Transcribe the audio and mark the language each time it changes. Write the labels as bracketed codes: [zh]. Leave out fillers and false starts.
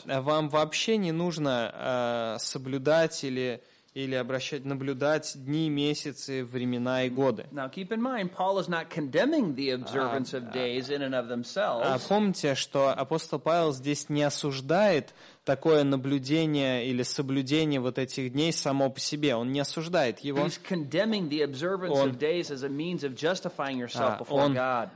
[ru] вам вообще не нужно соблюдать или обращать, наблюдать дни, месяцы, времена и годы. [en] Now keep in mind, Paul is not condemning the observance of days in and of themselves. [ru] Помните, что апостол Павел здесь не осуждает такое наблюдение или соблюдение вот этих дней само по себе. Он не осуждает его. [en] He's condemning the observance of days as a means of justifying yourself before God.